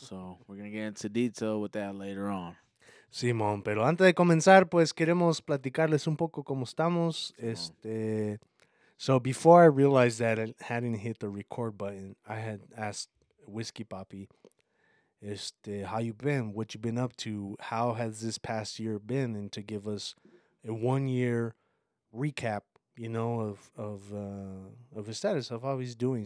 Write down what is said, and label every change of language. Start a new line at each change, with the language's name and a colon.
English: So we're going to get into detail with that later on.
Spanish: Simón, pero antes de comenzar, pues queremos platicarles un poco cómo estamos.
English: So before I realized that I hadn't hit the record button, I had asked Whiskey Poppy, how you been? What you been up to? How has this past year been? And to give us a 1 year recap, of his status, of how he's doing.